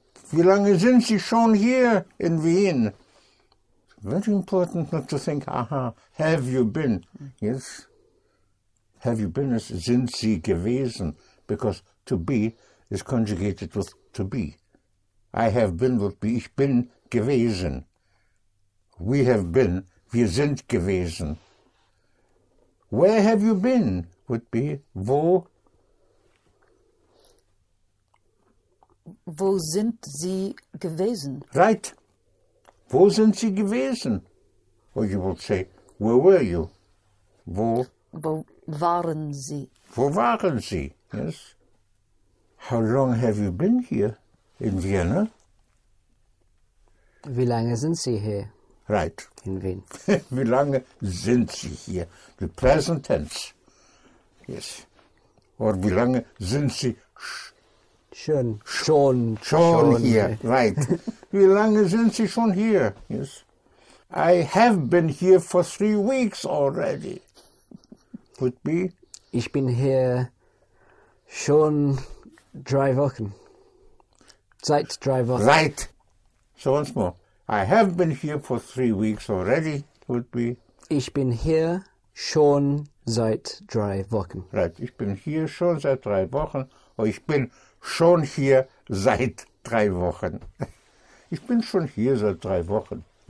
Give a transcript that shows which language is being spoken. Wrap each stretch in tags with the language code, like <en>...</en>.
<de>Wie lange sind Sie schon hier in Wien?</de> <en>Very important not to think, have you been? Yes. Have you been?</en> <de>Sind Sie gewesen?</de> <en>Because to be is conjugated with to be. I have been would be,</en> <de>ich bin gewesen.</de> <en>We have been,</en> <de>wir sind gewesen.</de> <en>Where have you been would be, wo?</en> <de>Wo sind Sie gewesen? Right. Wo sind Sie gewesen?</de> <en>Or you would say, where were you?</en> <de>Wo? Wo waren Sie? Wo waren Sie? Yes.</de> <en>How long have you been here in Vienna?</en> <de>Wie lange sind Sie hier?</de> <en>Right.</en> <de>In Wien. Wie lange sind Sie hier?</de> <en>The present tense. Yes.</en> <de>Or wie lange sind Sie schon hier? Right. Wie lange sind Sie schon hier?</de> <en>Yes. I have been here for 3 weeks already. Would be?</en> <de>Ich bin hier schon 3 Wochen. Seit 3 Wochen.</de> <en>Right. So once more. I have been here for 3 weeks already. Would be?</en> <de>Ich bin hier schon seit 3 Wochen.</de> <en>Right.</en> <de>Ich bin hier schon seit 3 Wochen. Oder ich bin schon hier seit 3 Wochen. Ich bin schon hier seit 3 Wochen.</de>